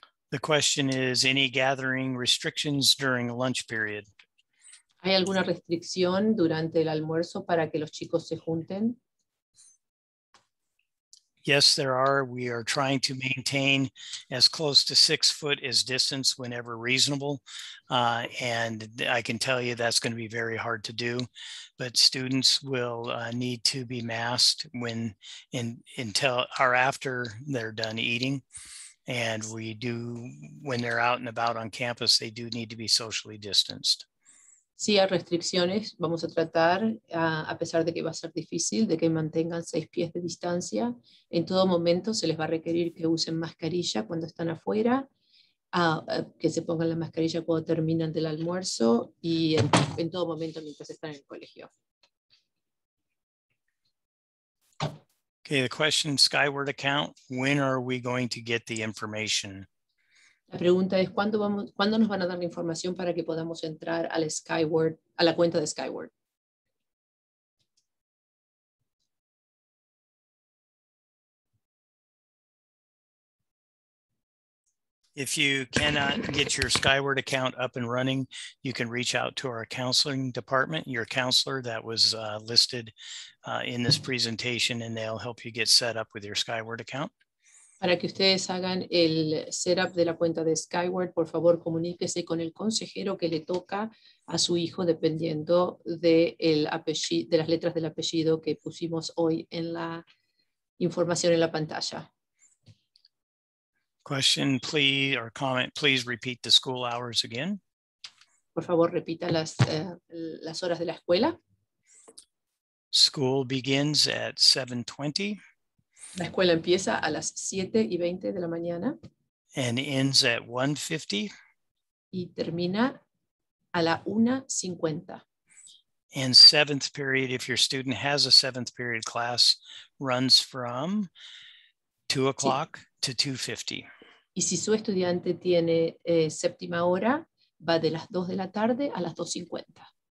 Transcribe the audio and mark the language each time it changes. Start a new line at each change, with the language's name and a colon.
English: The question is, any gathering restrictions during lunch period?
Spanish: ¿Hay alguna restricción durante el almuerzo para que los chicos se junten?
English: Yes, there are. We are trying to maintain as close to 6 foot as distance whenever reasonable. And I can tell you that's going to be very hard to do, but students will need to be masked when until or after they're done eating. And we do, when they're out and about on campus, they do need to be socially distanced.
Spanish: Sí, hay restricciones. Vamos a tratar, a pesar de que va a ser difícil, de que mantengan 6 pies de distancia. En todo momento se les va a requerir que usen mascarilla cuando están afuera, que se pongan la mascarilla cuando terminan del almuerzo y en todo momento mientras están en el colegio.
English: Okay, the question, Skyward account, when are we going to get the information?
Spanish: La pregunta es, ¿cuándo nos van a dar la información para que podamos entrar al Skyward, a la cuenta de Skyward?
English: If you cannot get your Skyward account up and running, you can reach out to our counseling department, your counselor that was listed in this presentation, and they'll help you get set up with your Skyward account.
Spanish: Para que ustedes hagan el setup de la cuenta de Skyward, por favor, comuníquese con el consejero que le toca a su hijo, dependiendo de, el apellido, de las letras del apellido que pusimos hoy en la información en la pantalla.
English: Question, please, or comment, please repeat the school hours again.
Spanish: Por favor, repita las horas de la escuela.
English: School begins at 7:20.
Spanish: La escuela empieza a las 7:20 de la mañana.
English: And ends at 1:50.
Spanish: Y termina a la 1:50.
English: And seventh period, if your student has a seventh period class, runs from 2:00 to 2:50.
Spanish: Y si su estudiante tiene séptima hora, va de las 2 de la tarde a las 2:50.